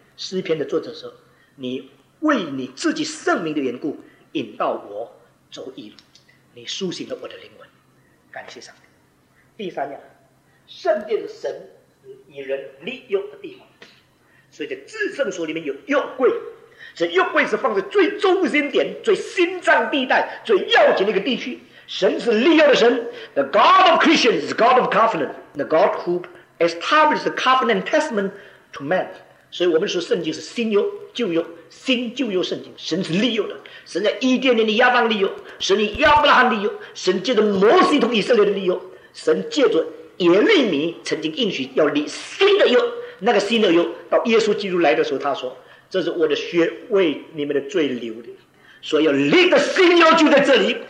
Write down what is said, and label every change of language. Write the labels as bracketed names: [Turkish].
[Chinese] 诗篇的作者说，你为你自己圣名的缘故引导我走义路，你苏醒了我的灵魂。感谢上帝。第三样，圣殿的神与人立约的地方，所以在至圣所里面有约柜，这约柜是放在最中心点、最心脏地带、最要紧的一个地区。神是立约的神。 [English] The God of Christians is God of Covenant, the God who established the covenant testament to man. [Chinese] 所以我们说圣经是新约、旧约、新旧约圣经。神是立约的，神在伊甸园的亚当立约，神与亚伯拉罕立约，神借着摩西同以色列的立约，神借着耶利米曾经应许要立新的约。那个新的约到耶稣基督来的时候，他说，这是我的血为你们的罪流的，所以要立的新约就在这里。